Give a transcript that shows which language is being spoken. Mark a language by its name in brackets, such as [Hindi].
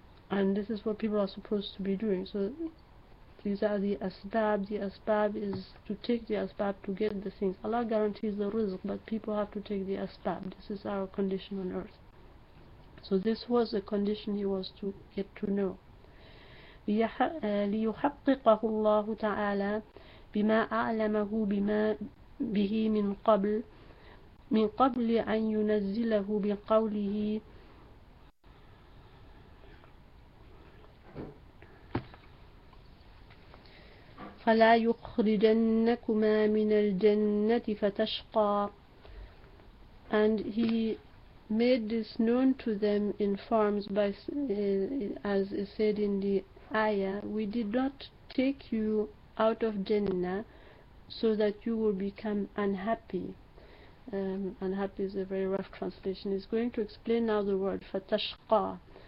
[English] And this is what people are supposed to be doing. So these are the asbab. The asbab is to take the asbab to get the things. Allah guarantees the rizq, but people have to take the asbab. This is our condition on earth. So this was the condition he was to get to know. [Arabic] ليحققه الله تعالى بما أعلمه بما به من قبل أن ينزله بقوله فلا يخرجنكما من الجنة فتشقى. [English] And he made this known to them in forms by, as is said in the ayah, we did not take you out of Jannah so that you will become unhappy. Unhappy is a very rough translation. He's going to explain now the word فتشقى.